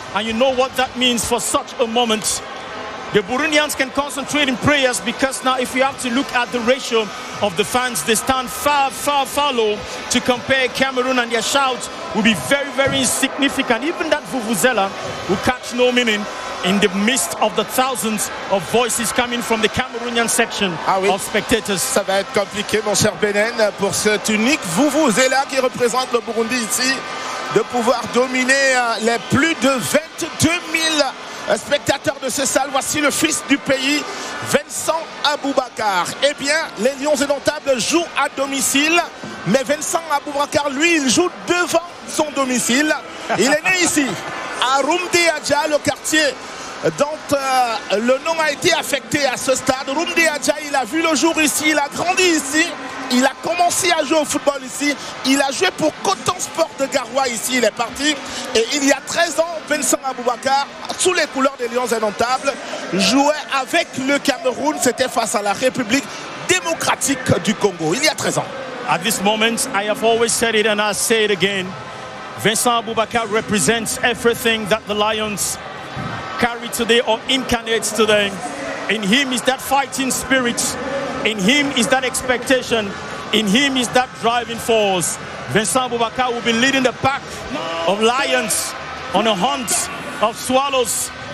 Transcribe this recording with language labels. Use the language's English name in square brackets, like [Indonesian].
[English] And you know what that means for such a moment. The Burundians can concentrate in prayers because now if you have to look at the ratio of the fans, they stand far, far, far low to compare Cameroon and their shouts will be very, very insignificant. Even that vuvuzela will catch no meaning in the midst of the thousands of voices coming from the Cameroonian section of spectators. [French] Ça va être compliqué, mon cher Benen, pour ce unique vuvuzela qui représente le Burundi ici, de pouvoir dominer les plus de 22 000 spectateur de ce salle, voici le fils du pays, Vincent Aboubakar. Eh bien, les Lions Indomptables jouent à domicile, mais Vincent Aboubakar, lui, il joue devant son domicile. Il est né ici, à Rumdiadja, le quartier dont le nom a été affecté à ce stade. Rumdiadja, il a vu le jour ici, il a grandi ici, il a commencé à jouer au football ici, il a joué pour Coton Sport de Garoua ici, il est parti. Et il y a 13 ans, Vincent Aboubakar, sous les couleurs des Lions Indomptables, jouait avec le Cameroun, c'était face à la République démocratique du Congo, il y a 13 ans. [English] At this moment, I have always said it and I say it again, Vincent Aboubakar represents everything that the Lions carry today or incarnate today. In him is that fighting spirit. In him is that expectation. In him is that driving force. Vincent Aboubakar will be leading the pack of Lions on a hunt of swallows.